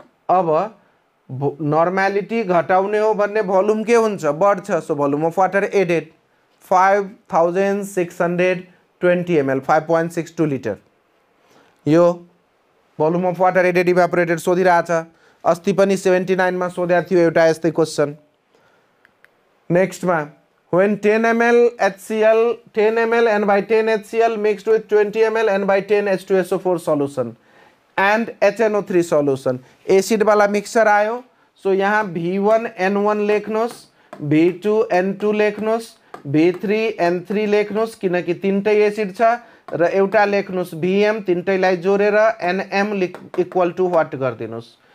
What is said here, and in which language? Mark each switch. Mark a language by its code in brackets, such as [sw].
[ne] अब नर्मालिटी घटाउने हो भन्ने भोल्युम के हुन्छ? बढ्छ. [en] So, volume of water added. 5620 ml, 5.62 liter. [ne] यो [en] volume of water added evaporated [ne] सोधी रहा छ. अस्ति पनि 79 मा सोध्या थियो एउटा यस्तै क्वेशन. [en] Next मा, when 10 ml HCl, 10 ml n by 10 HCl mixed with 20 ml n by 10 H2SO4 solution and HNO3 solution. [ne] Acid वाला mixer आयो. So यहाँ B1 N1 लेखनोस, B2 N2 लेखनोस, B3 N3 लेख्नुस् किनकि तीनटै एसिड छ र एउटा लेख्नुस् BM तीनटैलाई जोडेर NM [en] equal to what [ne] गर्दिनुस्.